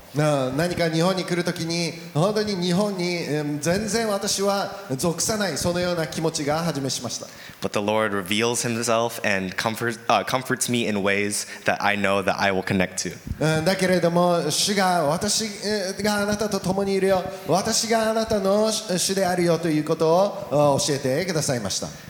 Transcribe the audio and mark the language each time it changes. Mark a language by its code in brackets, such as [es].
[ja] 何か日本に来るときに、本当に日本に全然私は属さない、そのような気持ちが始めしました。 [en] But the Lord reveals himself and comforts me in ways that I know that I will connect to. [ja] だけれども、主が私があなたと共にいるよ、私があなたの主であるよということを教えてくださいました。